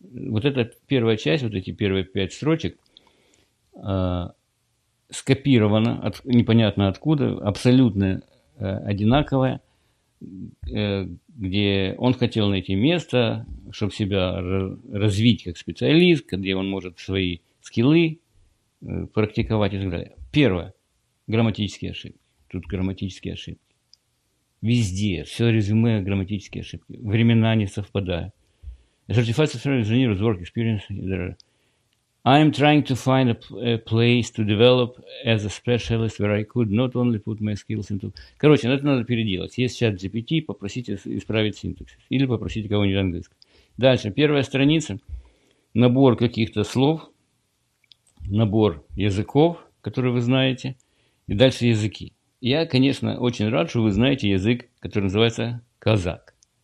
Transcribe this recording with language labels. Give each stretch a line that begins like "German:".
Russian: Вот эта первая часть, вот эти первые 5 строчек, скопировано, непонятно откуда, абсолютно одинаковое, где он хотел найти место, чтобы себя развить как специалист, где он может свои скиллы практиковать и так далее. Первое. Грамматические ошибки. Тут грамматические ошибки. Везде. Все резюме грамматические ошибки. Времена не совпадают.
English: Certified Software Engineer with Work Experience. I am trying to find a place to develop as a specialist where I could not only put my skills into...
Russian: Короче, это надо переделать. Есть чат GPT, попросите исправить синтаксис. Или попросите кого-нибудь английского. Дальше, первая страница. Набор каких-то слов. Набор языков, которые вы знаете. И дальше языки. Я, конечно, очень рад, что вы знаете язык, который называется казак.